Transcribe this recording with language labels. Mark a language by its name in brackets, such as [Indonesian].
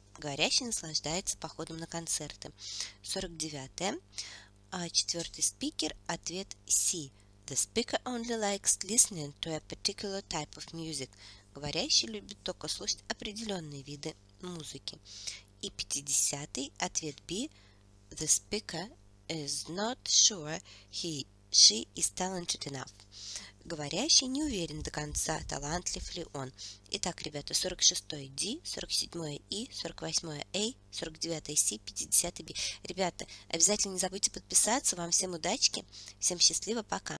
[Russian] Говорящий наслаждается походом на концерты. 49-е, четвертый спикер, ответ C. [English] The speaker only likes listening to a particular type of music. [Russian] Говорящий любит только слушать определенные виды музыки. И 50-й, ответ B. [English] The speaker is not sure she is talented enough. [Russian] Говорящий не уверен до конца, талантлив ли он. Итак, ребята, 46-й D, 47-й E, 48-й A, 49-й C, 50-й B. Ребята, обязательно не забудьте подписаться. Вам всем удачки, всем счастливо, пока.